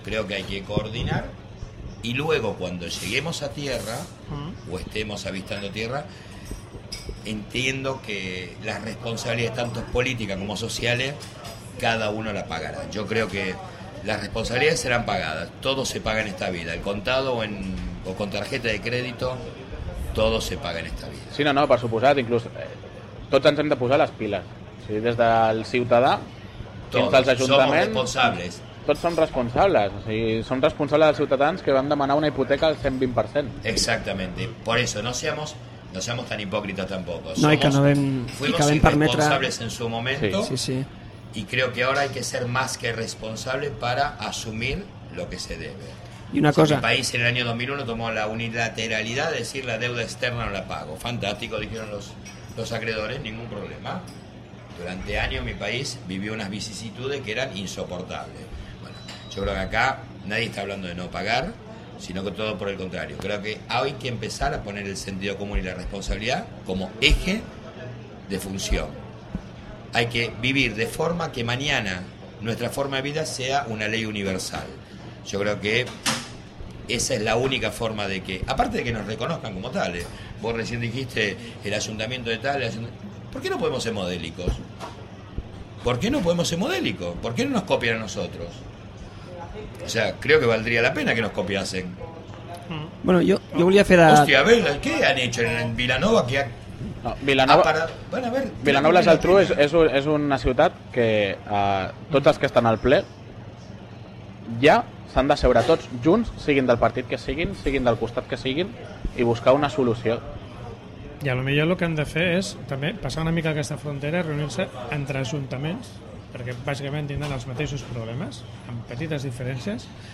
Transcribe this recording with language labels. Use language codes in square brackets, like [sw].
[es] Creo que hay que coordinar. Y luego, cuando lleguemos a tierra, o estemos avistando tierra, entiendo que las responsabilidades, tanto políticas como sociales, cada uno la pagará. Yo creo que las responsabilidades serán pagadas. Todo se paga en esta vida. El contado o con tarjeta de crédito, todo se paga en esta vida. [ca] Sí, no, per suposat, inclús, tots ens hem de posar les piles. Sí, des del ciutadà fins als ajuntaments... Tots som responsables. Tots som responsables, o sigui, som responsables dels ciutadans que vam demanar una hipoteca al 120%. Exactament, per això [es] no seamos [ca] tan hipòcrites tampoc. No, i que no vam permetre... [es] Fuimos irresponsables en su momento, sí. Y creo que ahora hay que ser más que responsable para asumir lo que se debe. Y una cosa... El país en el año 2001 tomó la unilateralidad de decir la deuda externa no la pago. Fantástico, dijeron los acreedores, ningún problema. Durante años mi país vivió unas vicisitudes que eran insoportables. Yo creo que acá nadie está hablando de no pagar, sino que todo por el contrario. Creo que hay que empezar a poner el sentido común y la responsabilidad como eje de función. Hay que vivir de forma que mañana nuestra forma de vida sea una ley universal. Yo creo que esa es la única forma de que, aparte de que nos reconozcan como tales, vos recién dijiste el ayuntamiento de tal, ¿por qué no podemos ser modélicos? ¿Por qué no podemos ser modélicos? ¿Por qué no nos copian a nosotros? O sea, creo que valdría la pena que nos copiasen. [ca] Bueno, yo volia fer a... [es] Hòstia, a ver, ¿qué han hecho en Vilanova? Que ha... No, Vilanova... Bueno, a ver, [ca] Vilanova la Geltrú és una ciutat que tots els que estan al ple ja s'han de seure tots junts, siguin del partit que siguin, siguin del costat que siguin, i buscar una solució. I a lo millor el que han de fer és també passar una mica aquesta frontera, reunir-se entre ajuntaments, perquè bàsicament tindran els mateixos problemes amb petites diferències,